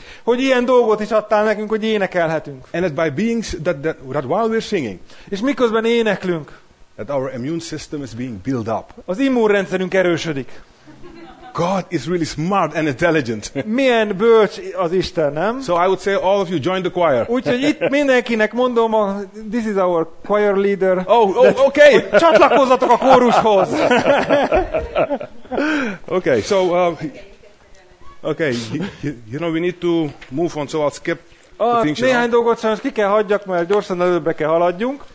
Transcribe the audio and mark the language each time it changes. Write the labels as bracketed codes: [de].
[hu] Hogy ilyen dolgot is adtál nekünk, hogy énekelhetünk. [en] And that by being that while we're singing. [hu] És miközben éneklünk. [en] That our immune system is being built up. [hu] Az immunrendszerünk erősödik. [en] God is really smart and intelligent. [hu] Milyen bölcs az Isten, nem? [en] So I would say all of you join the choir. [hu] Úgyhogy itt mindenkinek mondom, [en] this is our choir leader. Oh, okay. [hu] Csatlakozzatok a kórushoz. [en] Okay, so okay, you know we need to move on, so I'll skip. [hu] Néhány dolgot sem ki kell hagyjak, mert gyorsan előbbre kell haladjunk.